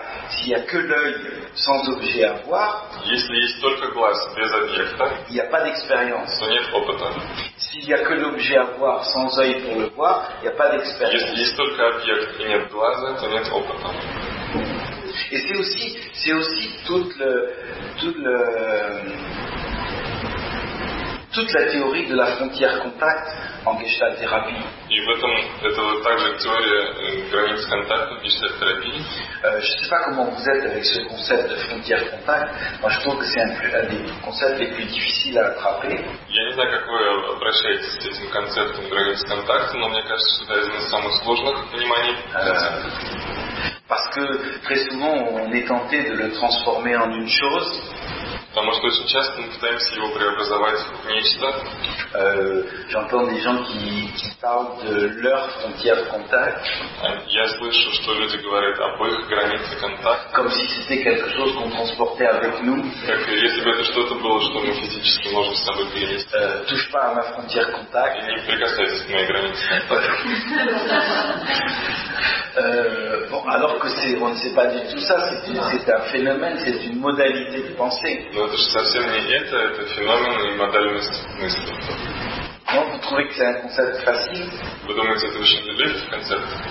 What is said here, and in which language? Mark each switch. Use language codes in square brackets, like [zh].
[fr] S'il y a que l'œil sans objet à voir, [ru] если есть только глаз без объекта, [fr] il n'y a pas d'expérience. [ru] То нет опыта. [fr] S'il y a que l'objet à voir sans œil pour le voir, il n'y a pas d'expérience. [ru] Если есть только объект и нет глаза, то нет опыта. [fr] Et c'est aussi toute la théorie de la frontière contact en Gestalt Thérapie. [ru] И в этом это вот также теория границ контакта в Gestalt Thérapie. [fr] Je ne sais pas comment vous êtes avec ce concept de frontière contact. Moi, je trouve que c'est un des concepts les plus difficiles à attraper. [ru] Я не знаю, как вы обращаетесь с этим концептом границ контакта, но мне кажется, что это один из самых сложных пониманий. [fr] Parce que très souvent, on est tenté de le transformer en une chose. [ru] Потому что очень часто мы пытаемся его преобразовать в нечто. [fr] J'entends des gens qui parlent de leur frontière contact. [ru] Я слышу, что люди говорят об их границе контакта. [fr] Comme si c'était quelque chose qu'on transportait avec nous. [ru] Как если бы это что-то было, что мы физически можем с собой перенести. [fr] Touche pas à ma frontière contact. [ru] Не прикасайтесь к моей границе. [fr] Bon, alors que on ne sait pas du tout ça, c'est un phénomène, c'est une modalité de pensée. [ru] Но это же совсем не это феномен и модальность мысли. [fr] Non, vous trouvez que c'est un concept facile? [ru] Вы думаете, это очень легкий концепт?